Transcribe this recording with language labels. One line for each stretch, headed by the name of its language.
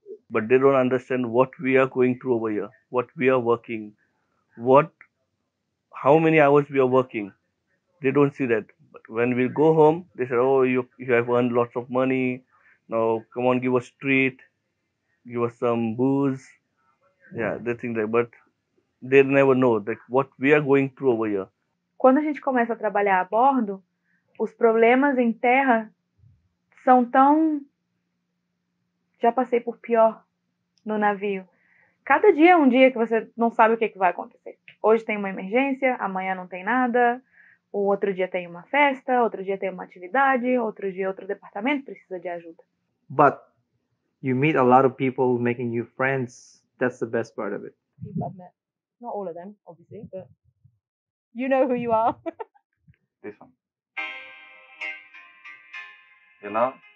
English: But they don't understand what we are going through over here, what we are working, how many hours we are working. They don't see that. But when we go home, they say, oh, you have earned lots of money. Now, come on, give us treat. Give us some booze. Yeah, they think that. But they never know that what we are going through over here.
Portuguese: Quando a gente começa a trabalhar a bordo, os problemas em terra são tão... Já passei por pior no navio. Cada dia é um dia que você não sabe o que, que vai acontecer. Hoje tem uma emergência, amanhã não tem nada, o outro dia tem uma festa, outro dia tem uma atividade, outro dia outro departamento precisa de ajuda.
English: But you meet a lot of people making new friends. That's the best part of it. People I've met. Not all of them, obviously, but you know who you are. This one. You know?